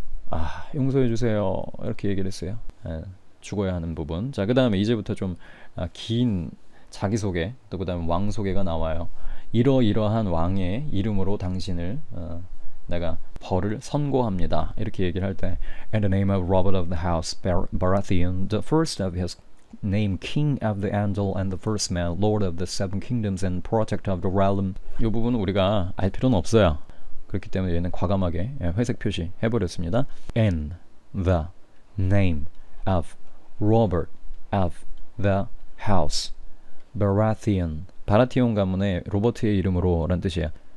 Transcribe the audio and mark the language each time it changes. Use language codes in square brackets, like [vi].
[ko] 아, 용서해 주세요. 이렇게 얘기를 했어요. 네, 죽어야 하는 부분. 자, 그 다음에 이제부터 좀 긴 자기소개, 또 그 다음에 왕소개가 나와요. 이러이러한 왕의 이름으로 당신을 내가 벌을 선고합니다. 이렇게 얘기를 할 때 [en] And the name of Robert of the House Baratheon, the first of his name King of the Andal and the first man, Lord of the Seven Kingdoms and Protector of the Realm. [ko] 이 부분 우리가 알 필요는 없어요. 그렇기 때문에 얘는 과감하게 회색 표시 해버렸습니다. [en] In the name of Robert of the House Baratheon. [ko] 바라티온 가문의 로버트의 이름으로 라는 뜻이에요.